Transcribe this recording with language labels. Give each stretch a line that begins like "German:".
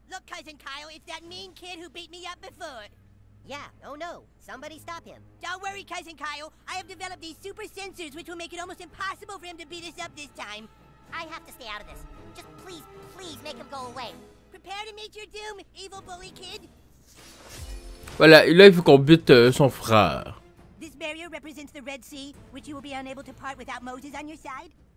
English: Look, cousin Kyle, it's that mean kid who beat me up before. Yeah, oh no, somebody stop him. Don't worry, cousin Kyle. I have developed these super sensors which will make it almost impossible for him to beat us up this time. I have to stay out of this. Just please, please make him go away. Prepare to meet your doom, evil bully kid.
French: Voilà, là il faut qu'on bute son frère.
English: This barrier represents the Red Sea, which you will be unable to part without Moses on your side.